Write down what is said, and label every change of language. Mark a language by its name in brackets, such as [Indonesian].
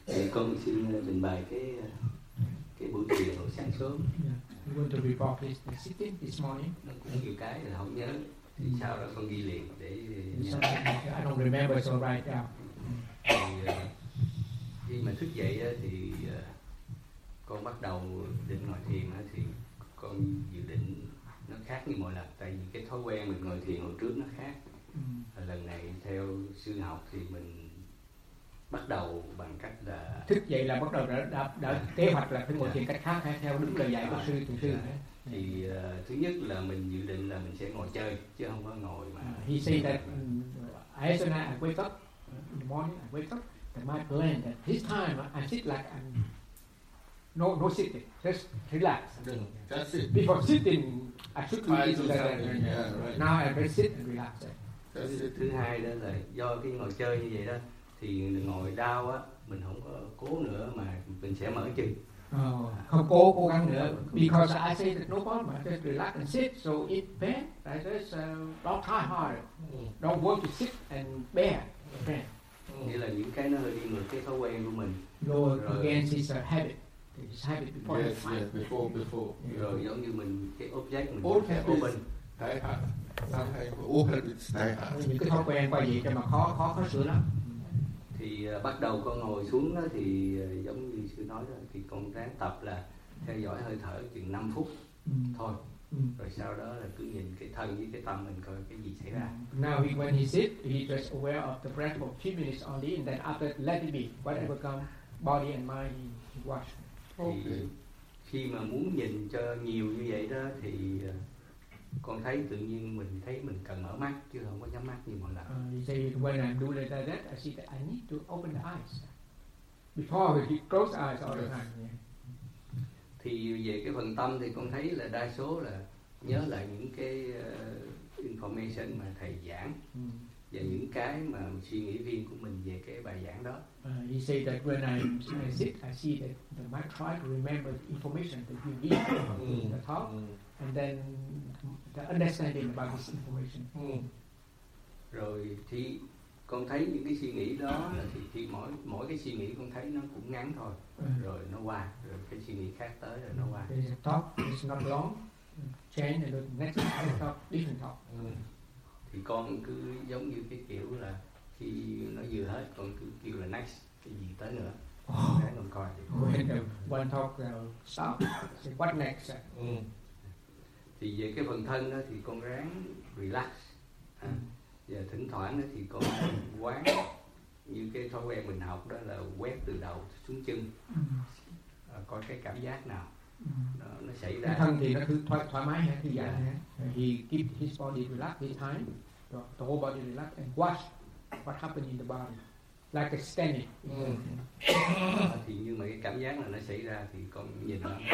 [Vietnamese] Con xin trình bày cái buổi chiều hồi sáng sớm. [English] I'm going to report this sitting this morning. [Vietnamese] Có nhiều cái là không nhớ, thì sao đó con ghi liền để. [English] I don't remember, so write down. [Vietnamese] Khi mà thức dậy thì con bắt đầu định ngồi thiền thì con dự định nó khác như mọi lần, tại vì cái thói quen mình ngồi thiền hồi trước nó khác. Lần này theo sư học thì mình bắt đầu bằng cách là thức dậy là bắt đầu đã kế hoạch là phải ngồi thiền cách khác hay theo đúng lời dạy của sư từ xưa. Thì thứ nhất là mình dự định là mình sẽ ngồi chơi chứ không có ngồi mà. [English] He said that asana I wake up in the morning, I wake up that my plan that this time I sit like I'm no sitting, just relax. That's it. Before sitting I should be easy like that. Now I just sit and relax. [Vietnamese] Thứ hai đó là do cái ngồi chơi như vậy đó thì ngồi đau á mình không có cố nữa mà mình sẽ mở chân. Không cố gắng nữa [English] because I say that no problem, just relax and sit, so it pain I just don't try hard, don't work to sit and bear. [Vietnamese] Nghĩa là những cái nó hơi đi ngược cái thói quen của mình. [English] Rồi again it's a habit, it's habit before. Yes, yes, before yeah. [Vietnamese] Rồi giống như mình cái object mình [English] old habits open. Die hard. [Vietnamese] Sao hay [English] old habits die hard. [Vietnamese] Những cái thói quen qua gì cho mà khó sửa lắm. Thì bắt đầu con ngồi xuống đó thì giống như sư nói đó, thì con ráng tập là theo dõi hơi thở chừng 5 phút thôi. Rồi sau đó là cứ nhìn cái thân với cái tâm mình coi cái gì xảy ra. [English] Now when he sit, he just aware of the breath for a few minutes only, and then after let it be, whatever come, body and mind, he watch. [Vietnamese] Thì khi mà muốn nhìn cho nhiều như vậy đó thì con thấy tự nhiên mình thấy mình cần mở mắt chứ không có nhắm mắt như mọi lần. [English] When I do like that, I see that I need to open the eyes. Before we close the eyes all the time. [Vietnamese] Thì về cái phần tâm thì con thấy là đa số là nhớ lại những cái information mà thầy giảng và những cái mà suy nghĩ riêng của mình về cái bài giảng đó. [English] You say that when I sit, I see that I try to remember the information that you give the talk. And then the understanding about this information. [Vietnamese] Rồi thì con thấy những cái suy nghĩ đó là thì mỗi cái suy nghĩ con thấy nó cũng ngắn thôi. Rồi nó qua, rồi cái suy nghĩ khác tới rồi nó qua. [English] The talk is not long. Change the next talk, different talk. [Vietnamese] Thì con cứ giống như cái kiểu là khi nó vừa hết con cứ kêu là next cái gì tới nữa. Cái con coi thì [English] one talk stop. What next? [Vietnamese] Thì về cái phần thân đó thì con ráng relax và thỉnh thoảng đó thì con quán như cái thói quen mình học đó là quét từ đầu xuống chân coi cái cảm giác nào nó xảy ra. Thân thì nó cứ thoải mái hay thư giãn thì [English] keep his body relaxed, his time the whole body relax and watch what happens in the body like a scanning. [Vietnamese] Thì như mà cái cảm giác là nó xảy ra thì con nhìn nó.